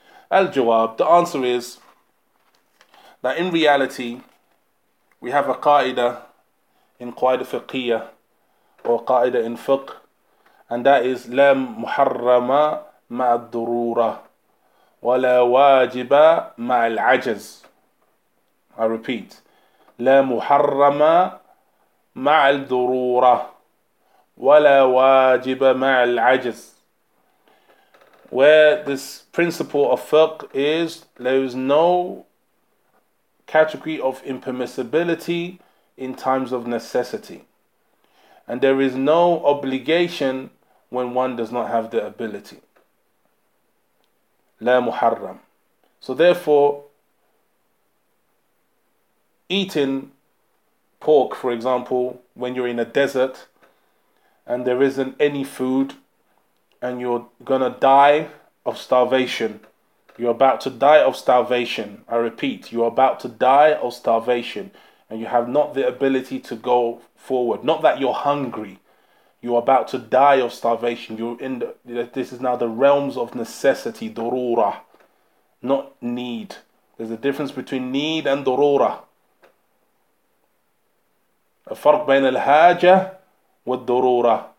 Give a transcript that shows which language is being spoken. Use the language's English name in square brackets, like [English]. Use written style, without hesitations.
[English] Al-jawab, the answer is that in reality, we have a qa'idah in qa'idah fiqhiyah or qa'idah in fiqh, and that is lam muharrama [Arabic] مع الضرورة ولا واجب مع العجز. [English] I repeat, [Arabic] لا محرم مع الضرورة ولا واجب مع العجز. [English] Where this principle of fiqh is, there is no category of impermissibility in times of necessity, and there is no obligation when one does not have the ability. [Arabic] لا محرم. [English] So therefore, eating pork, for example, when you're in a desert and there isn't any food and you're gonna die of starvation, you're about to die of starvation. I repeat, you're about to die of starvation. and you have not the ability to go forward. Not that you're hungry. You're about to die of starvation. You're in the, this is now the realms of necessity, durura, not need. There's a difference between need and durura. [Arabic] الفرق بين الحاجة والضرورة.